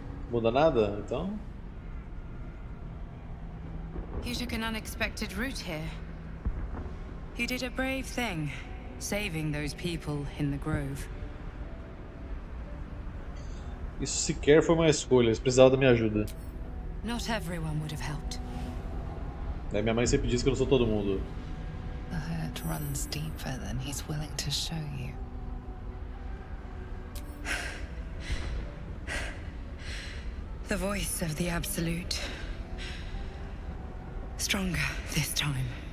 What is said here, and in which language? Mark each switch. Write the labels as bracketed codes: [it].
[pt] Muda nada, então? [en] You took an unexpected route here. You did a brave thing, saving those people in the grove. [pt] Isso sequer foi uma escolha, eles precisavam da minha ajuda. [en] Not everyone would have helped. [pt] É, minha mãe sempre diz que eu não sou todo mundo. [en] The hurt runs deeper than he's willing to show you. The voice of the absolute. Stronger this time.